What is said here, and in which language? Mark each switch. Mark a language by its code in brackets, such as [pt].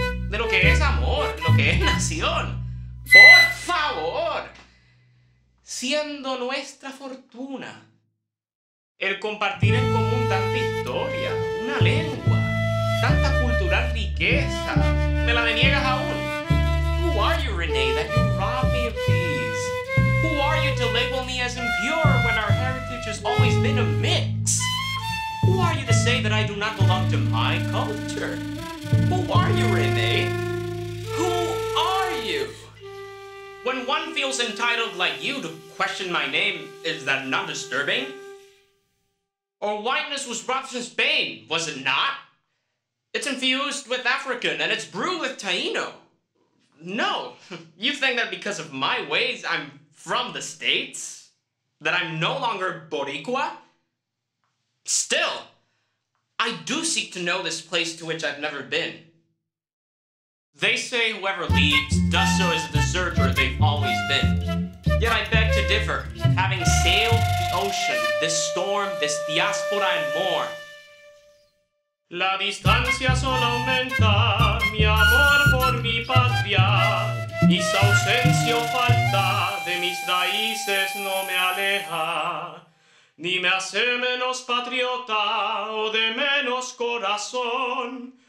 [es] De lo que es amor, lo que es nación. ¡Por favor! Siendo nuestra fortuna el compartir en común tanta historia, una lengua, tanta cultural riqueza, ¿me la deniegas aún? [en] Who are you, Renee, that you rob me of these? Who are you to label me as impure when our heritage has always been a mix? Who are you to say that I do not belong to my culture? Who are you, Renee? Who are you? When one feels entitled like you to question my name, is that not disturbing? Or whiteness was brought from Spain, was it not? It's infused with African and it's brewed with Taino. No, you think that because of my ways I'm from the States? That I'm no longer Boricua? Still, I do seek to know this place to which I've never been. They say whoever leaves does so as a deserter they've always been. Yet I beg to differ, having sailed the ocean, this storm, this diaspora, and more. [es] La distancia solo aumenta mi amor por mi patria, y su ausencia o falta de mis raíces no me aleja, ni me hace menos patriota o de menos corazón.